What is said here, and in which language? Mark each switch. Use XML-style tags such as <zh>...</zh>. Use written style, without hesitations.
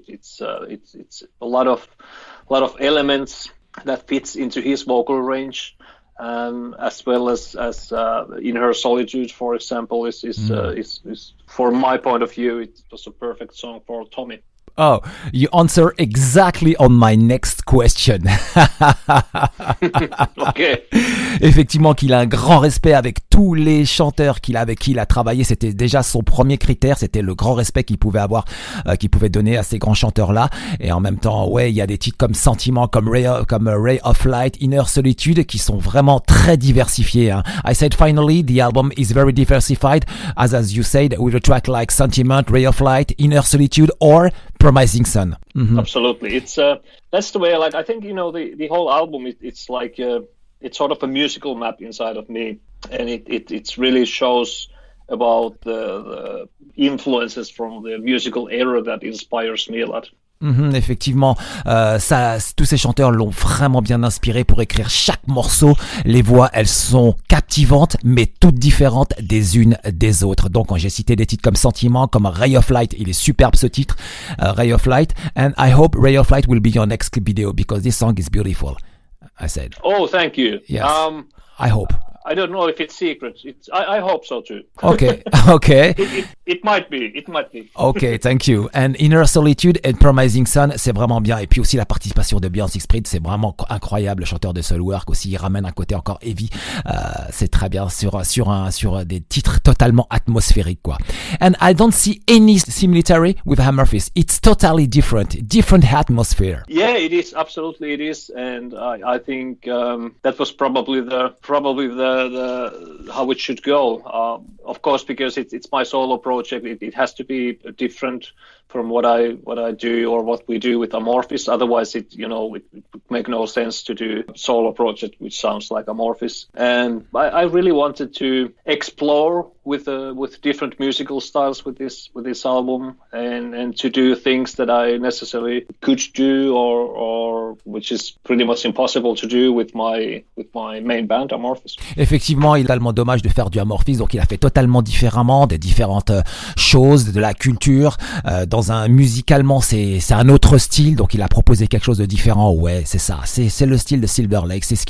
<en>It's a lot of elements that fits into his vocal range. As well as In Her Solitude, for example, is for my point of view, it was a perfect song for Tommy. Oh, you answer exactly on my next question. Okay.</en> <fr>Effectivement, qu'il a un grand respect avec tous les chanteurs qu'il a, avec qui il a travaillé. C'était déjà son premier critère. C'était le grand respect qu'il pouvait avoir, qu'il pouvait donner à ces grands chanteurs-là. Et en même temps, ouais, il y a des titres comme Sentiment, comme Ray of Light, Inner Solitude, qui sont vraiment très diversifiés, hein.</fr> <en>I said finally, the album is very diversified, as you said, with a track like Sentiment, Ray of Light, Inner Solitude, or Promising Sun. Mm-hmm. Absolutely. That's the way I like. I think, you know, the whole album, it's like, it's sort of a musical map inside of me, and it really shows about the influences from the musical era that inspires me a lot.</en> <fr>Mm-hmm, effectivement, ça, tous ces chanteurs l'ont vraiment bien inspiré pour écrire chaque morceau. Les voix, elles sont captivantes, mais toutes différentes des unes des autres. Donc, quand j'ai cité des titres comme Sentiment, comme Ray of Light, il est superbe ce titre, Ray of Light.</fr> <en>And I hope Ray of Light will be your next video because this song is beautiful. I said. Oh, thank you. Yes. I hope. I don't know if it's secret. I hope so too. Okay. Okay. It might be. Okay, thank you. And Inner Solitude and Promising Sun,</en> <fr>c'est vraiment bien. Et puis aussi la participation de Beyoncé Sprint, c'est vraiment incroyable. Le chanteur de Soul Work aussi, il ramène un côté encore heavy. C'est très bien sur des titres totalement atmosphériques, quoi.</fr> <en>And I don't see any similarity with Hammerfist. It's totally different. Different atmosphere. Yeah, it is. Absolutely, it is. And I think that was probably the how it should go. Of course, because it's my solo project, it has to be different from what I do or what we do with Amorphis. Otherwise, it would make no sense to do a solo project which sounds like Amorphis. And I really wanted to explore with different musical styles with this album and to do things that I necessarily could do or which is pretty much impossible to do with my main band Amorphis.</en> <fr>Effectivement, il a tellement dommage de faire du Amorphis, donc il a fait totalement différemment, des différentes choses, de la culture. Musicalement, c'est un autre style, donc il a proposé quelque chose de différent. Ouais, c'est ça, c'est le style de Silver Lake.</fr>